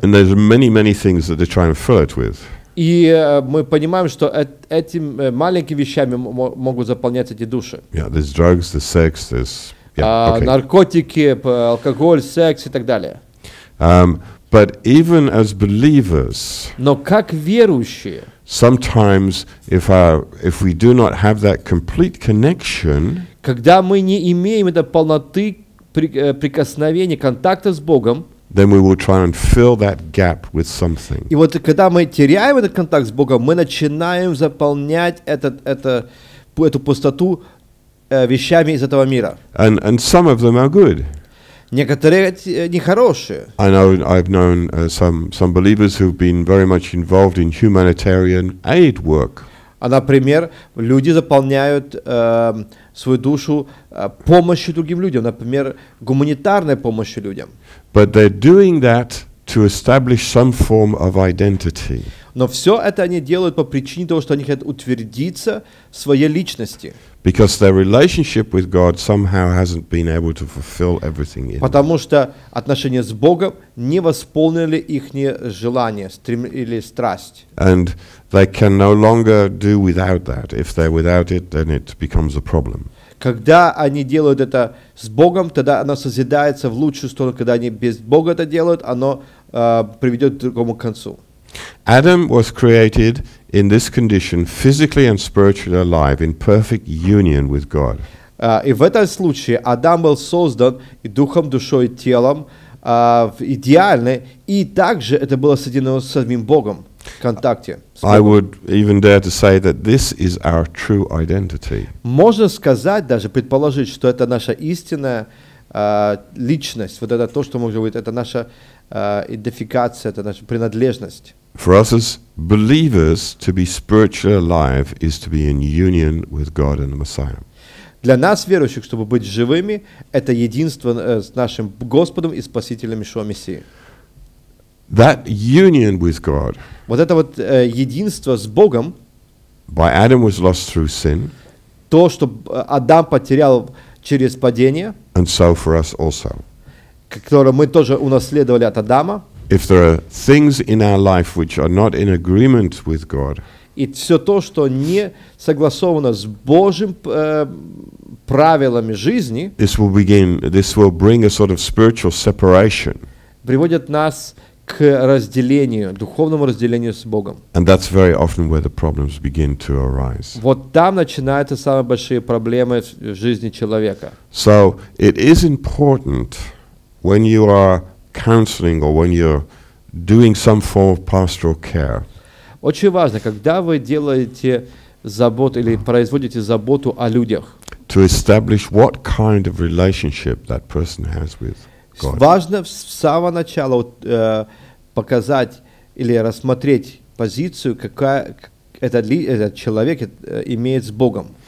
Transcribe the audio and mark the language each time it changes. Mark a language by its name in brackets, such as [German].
[English] And there's many, many things that they try and fill it with. [Russian] И мы понимаем, что этим маленькими вещами могут заполняться эти души. [English] Yeah, there's drugs, there's sex, there's [Russian] наркотики, алкоголь, секс и так далее. [English] But even as believers, [Russian] но как верующие, [English] sometimes if we do not have that complete connection, [Russian] когда мы не имеем этой полноты прикосновения, контакта с Богом, [English] then we will try and fill that gap with something. [Russian] И вот когда мы теряем этот контакт с Богом, мы начинаем заполнять эту пустоту вещами из этого мира. [English] And some of them are good. [Russian] Некоторые нехорошие. [English] I know I've known some believers who've been very much involved in humanitarian aid work. [Russian] А, например, люди заполняют свою душу помощью другим людям, например, гуманитарной помощью людям. [English] But they're doing that to establish some form of identity. [Russian] Но все это они делают по причине того, что они хотят утвердиться в своей личности. [English] Because their relationship with God somehow hasn't been able to fulfill everything yet. [Russian] Потому что отношения с Богом не восполнили их желание, стрем или страсть. [English] And they can no longer do without that. If they're without it, then it becomes a problem. [Russian] Когда они делают это с Богом, тогда оно созидается в лучшую сторону. Когда они без Бога это делают, оно приведет к другому концу. [English] Adam was created in this condition, physically and spiritually alive, in perfect union with God. [Russian] И в этом случае Адам был создан и духом, душой, и телом в идеальной, и также это было соединено с самим Богом. Контакте. [English] I would even dare to say that this is our true identity. [Russian] Можно сказать, даже предположить, что это наша истинная личность. Вот это то, что может быть, это наша идентификация, это наша принадлежность. [English] For us as believers, to be spiritually alive is to be in union with God and the Messiah. [Russian] Для нас, верующих, чтобы быть живыми, это единство с нашим Господом и Спасителем Иешуа Мессией. [English] That union with God. [Russian] Вот это вот единство с Богом. [English] By Adam was lost through sin. [Russian] То, что Адам потерял через падение. [English] And so for us also. [Russian] Которое мы тоже унаследовали от Адама. [English] If there are things in our life which are not in agreement with God. [Russian] И все то, что не согласовано с Божьим правилами жизни. [English] This will bring a sort of spiritual separation. [Russian] Приводит нас к разделению, духовному разделению с Богом. [English] And that's very often where the problems begin to arise. [Russian] Вот там начинаются самые большие проблемы в жизни человека. [English] So it is important when you are counseling or when you're doing some form of pastoral care. [Russian] Очень важно, когда вы делаете заботу или производите заботу о людях. [English] To establish what kind of relationship that person has with God. [Russian] Важно с самого начала показать или рассмотреть позицию, какая этот человек имеет с Богом.